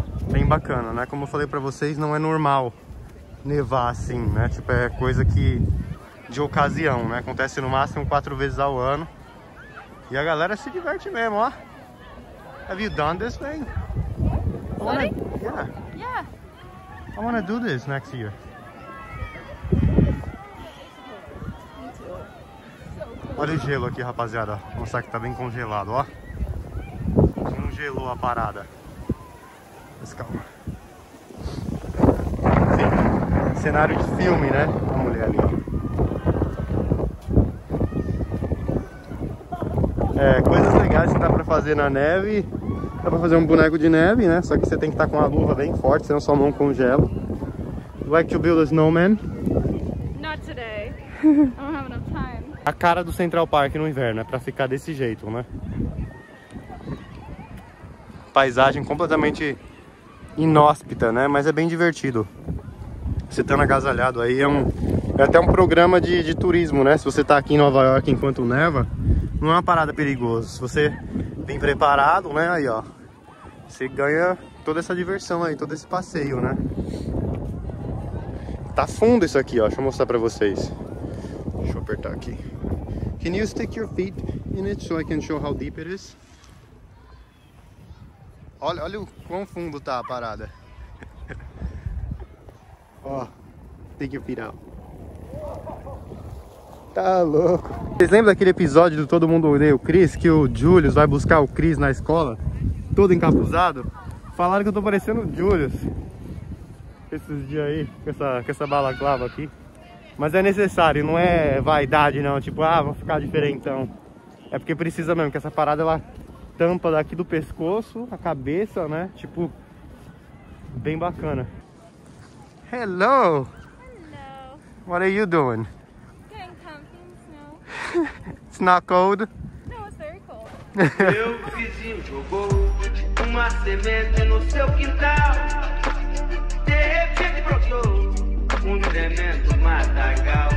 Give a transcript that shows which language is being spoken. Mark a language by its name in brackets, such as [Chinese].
[Portuguese] Bem bacana, né? Como eu falei pra vocês, não é normal nevar assim, né? Tipo, é coisa que de ocasião, né? Acontece no máximo 4 vezes ao ano. E a galera se diverte mesmo, ó. [English] Have you done this thing? Yeah. I want to do this next year. [Portuguese] Olha o gelo aqui, rapaziada. Vou mostrar que tá bem congelado, ó. Não gelou a parada. Mas calma. Sim. Você cenário de filme, né? A mulher ali, ó. É, coisas legais que dá pra fazer na neve. Dá pra fazer um boneco de neve, né? Só que você tem que estar com a luva bem forte, senão sua mão congela. [English] You like to build a snowman? Not today. I don't have enough time. [Portuguese] A cara do Central Park no inverno, é pra ficar desse jeito, né? Paisagem completamente inóspita, né? Mas é bem divertido. Você estando agasalhado aí, é até um programa de turismo, né? Se você tá aqui em Nova York enquanto neva, não é uma parada perigosa. Se você vem preparado, né? Aí, ó. Você ganha toda essa diversão aí, todo esse passeio, né? Tá fundo isso aqui, ó. Deixa eu mostrar pra vocês. Deixa eu apertar aqui. [English] Can you stick your feet in it so I can show how deep it is? [Portuguese] Olha, olha o quão fundo tá a parada. [English] Ó, oh, take your feet out. [Portuguese] Tá louco. Vocês lembram daquele episódio do Todo Mundo Odeia o Chris? Que o Julius vai buscar o Chris na escola, todo encapuzado? Falaram que eu tô parecendo o Julius esses dias aí, com essa balaclava aqui. Mas é necessário, não é vaidade não. Tipo, ah, vou ficar diferentão. É porque precisa mesmo, que essa parada ela tampa daqui do pescoço, a cabeça, né? Tipo, bem bacana. Hello! [English] Hello! What are you doing? Getting comfy in the snow. It's not cold? No, it's very cold. [Portuguese] Meu vizinho jogou uma semente no seu quintal. De repente brotou um tremendo matagal.